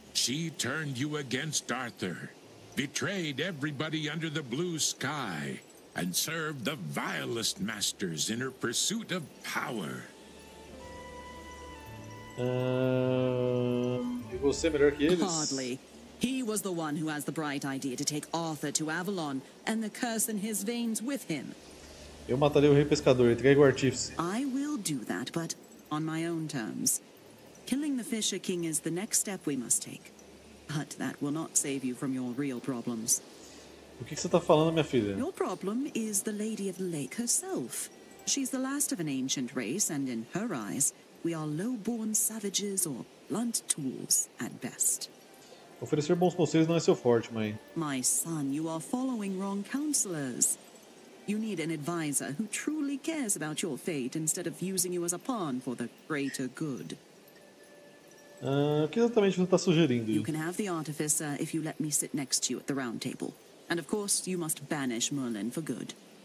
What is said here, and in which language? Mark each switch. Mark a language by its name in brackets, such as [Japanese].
[English] She turned you against Arthur, betrayed everybody under the blue sky, and served the vilest masters in her pursuit of power. [Portuguese] E você melhor que eles? [English] Hardly. He was the one who has the bright idea to take Arthur to Avalon and the curse in his veins with him. [Portuguese] Eu matarei o rei pescador, entregue o artífice. [English] I will do that, but on my own terms. Killing the Fisher King is the next step we must take. But that will not save you from your real problems. [Portuguese] O que você tá falando, minha filha? [English] Your problem is the Lady of the Lake herself. She's the last of an ancient race, and in her eyes, we are low-born savages or blunt tools at best. [Portuguese] Oferecer bons conselhos não é seu forte, mãe. [English] My son, you are following wrong counselors. You need an advisor who truly cares about your fate instead of using you as a pawn for the greater good. [Portuguese] O que exatamente você está sugerindo? [English] You can have the artificer if you let me sit next to you at the round table. And of course, you must banish Merlin for good.